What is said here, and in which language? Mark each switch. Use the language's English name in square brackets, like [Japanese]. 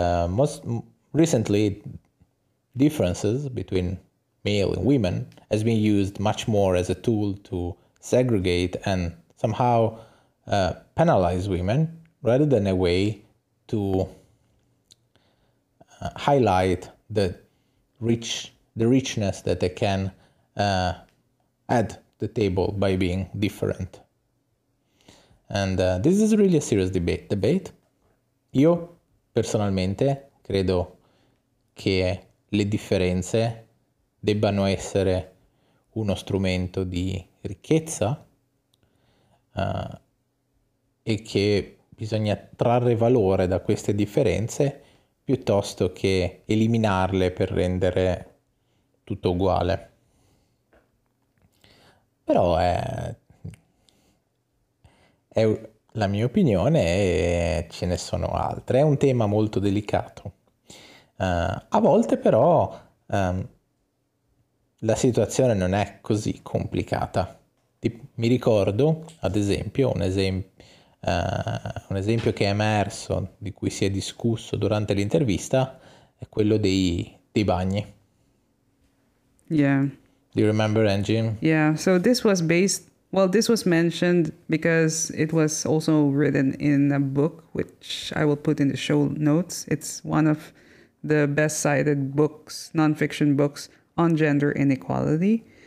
[English] most recently differences between male and women has been used much more as a tool to segregate and somehow penalize women rather than a way to highlight the richness that they can add the table by being different. And this is really a serious debate. [Italian] Io personalmente credo che le differenze debbano essere uno strumento di ricchezza e che bisogna trarre valore da queste differenze piuttosto che eliminarle per rendere tutto uguale. Però è la mia opinione e ce ne sono altre. È un tema molto delicato. A volte però la situazione non è così complicata. Mi ricordo, ad esempio, un esempio che è emerso, di cui si è discusso durante l'intervista, è quello dei bagni. [English] Yeah. Do you remember, Angie? Yeah, so this was based... Well, this was mentioned because it was also written in a book, which I will put in the show notes. It's one of the best cited books, nonfiction books on gender inequality.